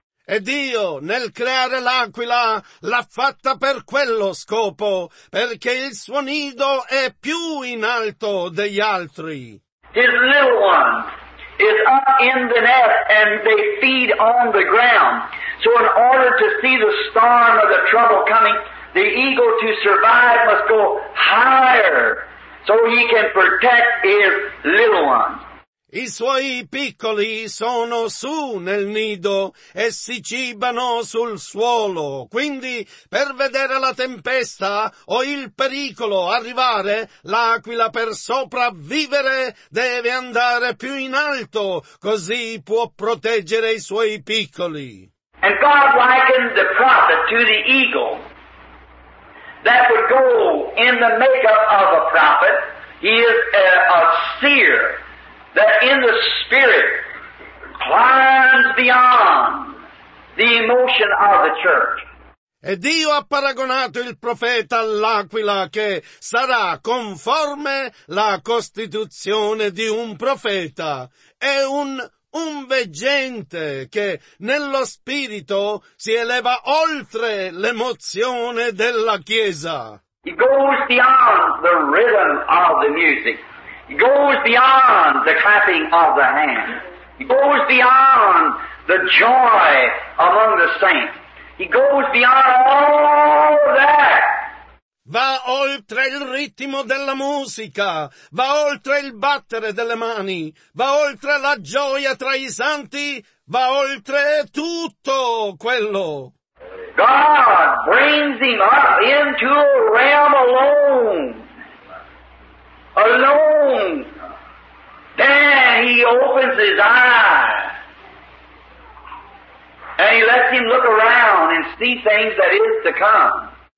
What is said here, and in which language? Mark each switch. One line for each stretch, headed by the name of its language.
Italian: E Dio, nel creare l'aquila, l'ha fatta per quello scopo, perché il suo nido è più in alto degli altri.
English: His little one is up in the nest and they feed on the ground. So in order to see the storm or the trouble coming, the eagle to survive must go higher so he can protect his little one.
Italian: I suoi piccoli sono su nel nido e si cibano sul suolo. Quindi, per vedere la tempesta o il pericolo arrivare, l'aquila per sopravvivere deve andare più in alto, così può proteggere i suoi piccoli.
English: And God likened the prophet to the eagle that would go in the makeup of a prophet. He is a seer that in the spirit climbs beyond the emotion of the church.
Italian: E Dio ha paragonato il profeta all'aquila che sarà conforme la costituzione di un profeta. È un veggente che nello spirito si eleva oltre l'emozione della chiesa.
English: He goes beyond the rhythm of the music. He goes beyond the clapping of the hands. He goes beyond the joy among the saints. He goes beyond all that.
Italian: Va oltre il ritmo della musica, va oltre il battere delle mani, va oltre la gioia tra i santi, va oltre tutto quello.
English: God brings him up into a realm alone. Alone, then he opens his eyes and he lets him look around and see things that is to come.